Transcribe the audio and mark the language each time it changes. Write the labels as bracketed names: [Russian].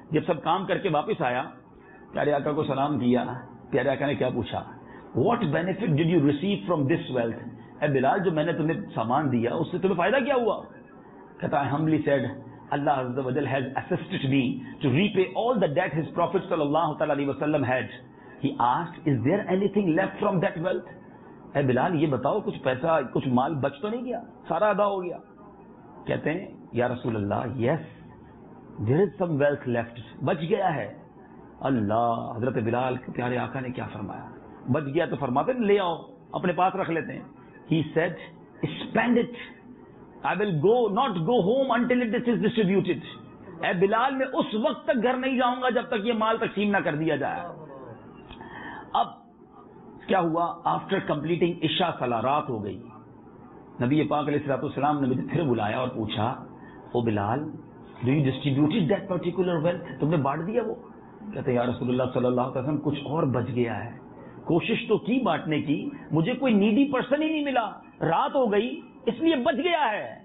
[Urdu] جب سب کام کر کے واپس آیا, پیارے آقا کو سلام کیا. پیارے آقا نے کیا پوچھا, [English] What benefit did you receive from this wealth? [Urdu] اے بلال, جو میں نے تمہیں سامان دیا اس سے تمہیں فائدہ کیا ہوا؟ کہتا, [English] I humbly said, Allah عز و جل has assisted me to repay all the debt his prophet صلی اللہ علیہ وسلم had. He asked, is there anything left from that wealth? [Urdu] اے بلال, یہ بتاؤ, کچھ پیسہ, کچھ مال بچ تو نہیں گیا؟ سارا ادا ہو گیا. کہتے ہیں, یا رسول اللہ, [English] yes, there is some wealth left, [Urdu] بچ گیا ہے. اللہ, حضرت بلال کے پیارے آقا نے کیا فرمایا, بچ گیا تو فرماتے ہیں, لے آؤ, اپنے پاس رکھ لیتے ہیں. [English] He said, spend it. I will not go home until it is distributed. [Urdu] اے بلال, میں اس وقت تک گھر نہیں جاؤں گا جب تک یہ مال تقسیم نہ کر دیا جائے. اب کیا ہوا [English] after completing [Urdu] عشاء سلا رات ہو گئی, نبی پاک علیہ الصلوۃ والسلام نے مجھے پھر بلایا اور پوچھا او بلال [English] do you distributed that particular wealth, [Urdu] تم نے بانٹ دیا وہ؟ کہتے ہیں یا رسول اللہ صلی اللہ علیہ وسلم کچھ اور بچ گیا ہے, کوشش تو کی بانٹنے کی مجھے کوئی نیڈی پرسن ہی نہیں ملا, رات ہو گئی اس لیے بچ گیا ہے.